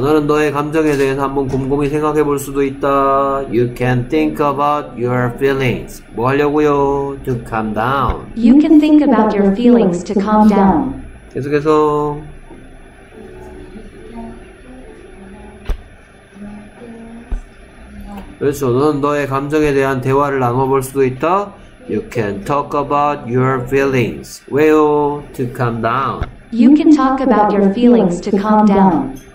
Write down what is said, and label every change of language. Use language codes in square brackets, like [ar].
[ko] 너는 너의 감정에 대해서 한번 곰곰이 생각해 볼 수도 있다. [en] You can think about your feelings. [ko] 뭐 하려고요? [en] To calm down. You can think about your feelings to calm down. [ko] 계속해서 그렇죠. 너는 너의 감정에 대한 대화를 나눠볼 수도 있다. [en] You can talk about your feelings. [ko] 왜요? [en] To calm down. You can talk about your feelings to calm down.